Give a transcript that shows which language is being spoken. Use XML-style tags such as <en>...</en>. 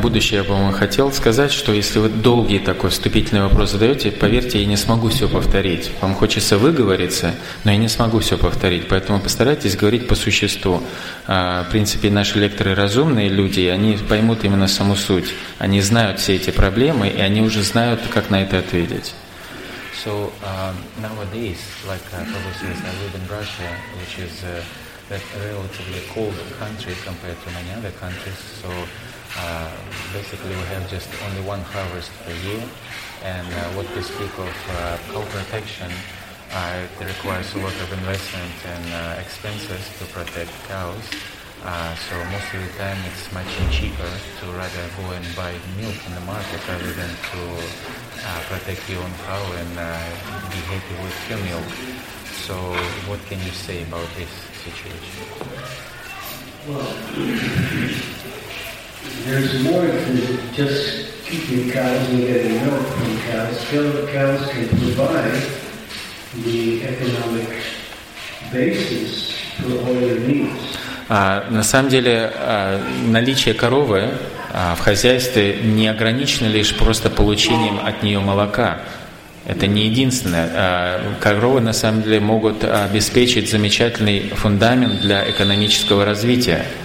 <ru>Я бы вам хотел сказать, что если вы долгий такой вступительный вопрос задаете, поверьте, я не смогу все повторить. Вам хочется выговориться, но я не смогу все повторить. Поэтому постарайтесь говорить по существу. В принципе, наши лекторы разумные люди, и они поймут именно саму суть. Они знают все эти проблемы, и они уже знают, как на это ответить.</ru> <en>So, nowadays, like obviously, I live in Russia, which is a relatively cold country compared to many other countries. So, basically, we have just only one harvest per year, and what we speak of cow protection, it requires a lot of investment and expenses to protect cows. So most of the time, it's much cheaper to rather go and buy milk in the market rather than to protect your own cow and be happy with your milk. So what can you say about this situation? There's more than just keeping cows and getting milk from cows. Still, the cows can provide the economic basis for all your needs.</en> <ru>На самом деле, наличие коровы в хозяйстве не ограничено лишь просто получением от нее молока. Это не единственное. Коровы, на самом деле, могут обеспечить замечательный фундамент для экономического развития.</ru>